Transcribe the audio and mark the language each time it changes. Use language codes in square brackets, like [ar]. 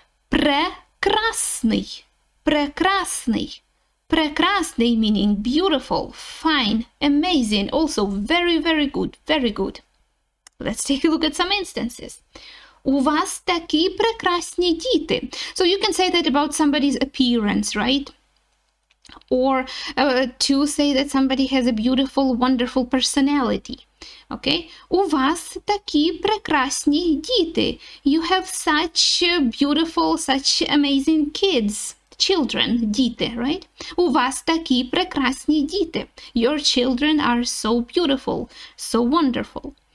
[uk] Прекрасний. Прекрасний. [en] Прекрасний meaning beautiful, fine, amazing. Also very, very good. Very good. Let's take a look at some instances. [uk] У вас такі прекрасні діти. [en] So you can say that about somebody's appearance, right? Or to say that somebody has a beautiful, wonderful personality. Okay? [uk] У вас такі прекрасні діти. [en] You have such beautiful, such amazing kids. Children, діти, right? [uk] У вас такі прекрасні діти. [en] Your children are so beautiful, so wonderful.